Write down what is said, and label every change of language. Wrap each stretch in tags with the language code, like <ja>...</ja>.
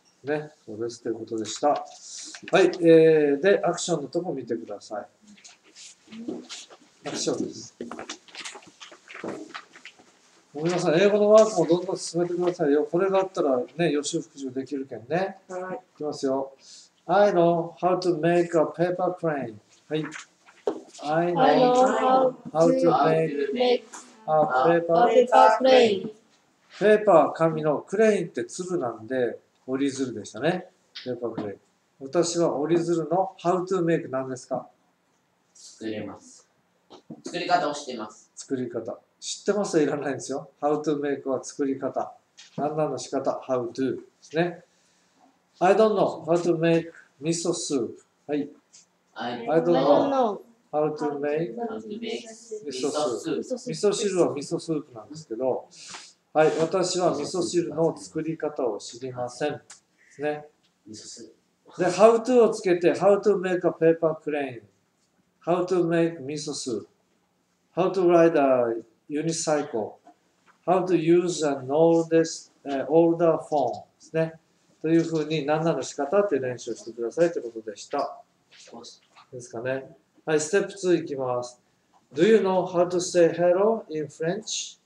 <ja>ね、そうですということでした。はい、でアクションのとこ見てください。アクションです。ごめんなさい、英語のワークもどんどん進めてくださいよ。これがあったらね、予習復習できるけんね。はい。いきますよ。</ja> <en>I know how to make a paper plane.</en> <ja>はい。</ja> <en>I know how to make a paper plane.</en> <ja>ペーパー紙のクレインって粒なんで。折り鶴でしたね。ペーパークレイ。私は折り鶴の</ja> <en>How to make</en> <ja>何ですか？作れます。作り方を知っています。作り方。知ってますはいらないんですよ。 How to make は作り方。何なの仕方。How to ですね。</ja> <en>I don't know how to make miso soup.</en> <ja>はい。</ja> <en>I don't know how to make miso soup.</en> <ja>味噌汁は味噌スープなんですけど、はい、私は味噌汁の作り方を知りません。ですね。で、</ja> <en>how to をつけて、how to make</en> <ja>a paper crane,</ja> <en>how to make 味噌汁、how to ride a unicycle, how to use an older form</en> <ja>ですね。というふうに、何々の仕方って練習してくださいということでした。ですかね。はい、ステップ2いきます。</ja> <en>Do you know how to say hello in French?</en>